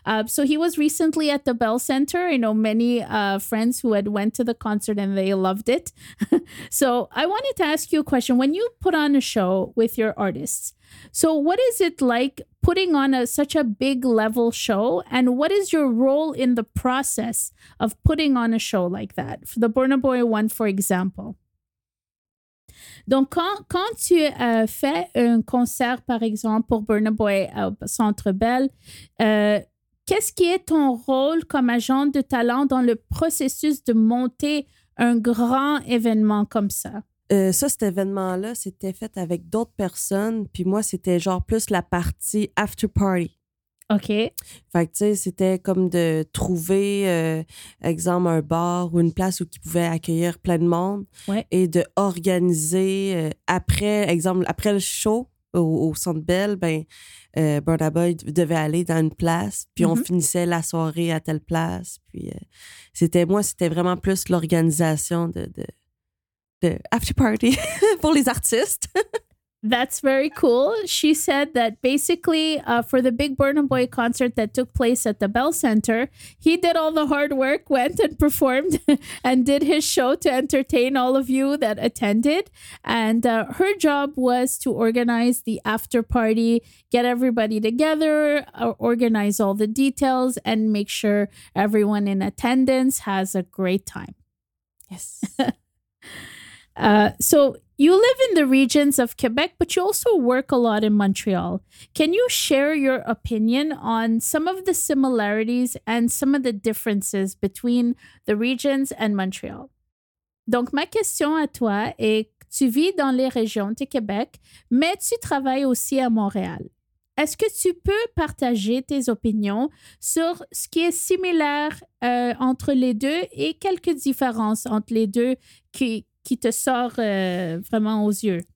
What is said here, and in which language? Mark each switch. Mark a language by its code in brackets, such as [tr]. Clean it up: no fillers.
[en] So he was recently at the Bell Center. I know many friends who had went to the concert and they loved it. So I wanted to ask you a question. When you put on a show with your artists, so what is it like putting on such a big level show? And what is your role in the process of putting on a show like that? For the Burna Boy one, for example. [fr] Donc, quand tu fais un concert, par exemple, pour Burna Boy au Centre Bell, qu'est-ce qui est ton rôle comme agent de talent dans le processus de monter un grand événement comme ça? Ça, cet événement-là, c'était fait avec d'autres personnes, puis moi, c'était genre plus la partie after party. OK. Fait que, tu sais, c'était comme de trouver, exemple, un bar ou une place où ils pouvaient accueillir plein de monde. Ouais. Et d'organiser après, exemple, après le show au Centre Bell, ben, Burna Boy devait aller dans une place, puis mm-hmm. on finissait la soirée à telle place. Puis, c'était moi, c'était vraiment plus l'organisation de after party pour les artistes. [en] That's very cool. She said that basically for the big Burna Boy concert that took place at the Bell Center, he did all the hard work, went and performed and did his show to entertain all of you that attended. And her job was to organize the after party, get everybody together, organize all the details and make sure everyone in attendance has a great time. Yes. So you live in the regions of Quebec, but you also work a lot in Montreal. Can you share your opinion on some of the similarities and some of the differences between the regions and Montreal? [fr] Donc, ma question à toi est, tu vis dans les régions de Québec, mais tu travailles aussi à Montréal. Est-ce que tu peux partager tes opinions sur ce qui est similaire entre les deux et quelques différences entre les deux qui te sort vraiment aux yeux?